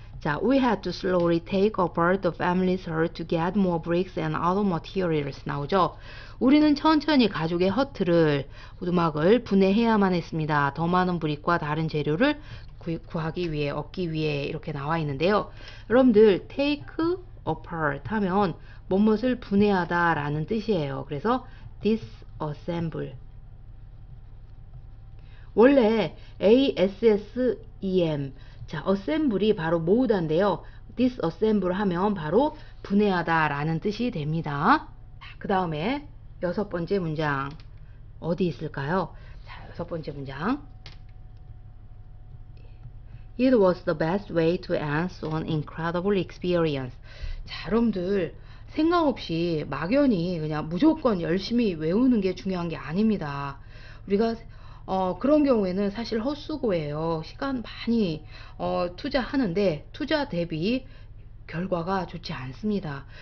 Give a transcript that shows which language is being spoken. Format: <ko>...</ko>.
<en>자, we had to slowly take apart the family saw to get more bricks and other materials</en> <ko>나오죠? 우리는 천천히 가족의 허트를, 우두막을 분해해야만 했습니다. 더 많은 브릭과 다른 재료를 구하기 위해, 얻기 위해 이렇게 나와 있는데요. 여러분들, take apart 하면 뭣뭇을 분해하다라는 뜻이에요. 그래서 disassemble. 원래 assem, 자, assemble이 바로 모으다인데요. disassemble 하면 바로 분해하다라는 뜻이 됩니다. 그 다음에 여섯 번째 문장 어디 있을까요? 자, 여섯 번째 문장.</ko> <en>It was the best way to end on incredible experience.</en> <ko>자, 여러분들 생각 없이 막연히 그냥 무조건 열심히 외우는 게 중요한 게 아닙니다. 우리가 그런 경우에는 사실 헛수고예요. 시간 많이 투자하는데 투자 대비 결과가 좋지 않습니다.</ko>